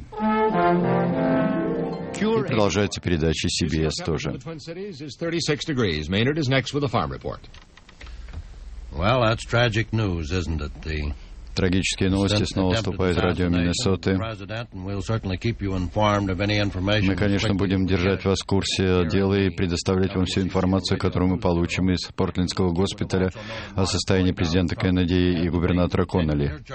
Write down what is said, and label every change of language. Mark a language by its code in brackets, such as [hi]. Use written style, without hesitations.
[ru] И продолжается передача CBS тоже. [en] Maynard is next with a farm report. Well, that's tragic news, isn't it? [ru] Трагические новости. Снова вступает радио Миннесоты. Мы, конечно, будем держать вас в курсе дела и предоставлять вам всю информацию, которую мы получим из Портлендского госпиталя о состоянии президента Кеннеди и губернатора Коннелли.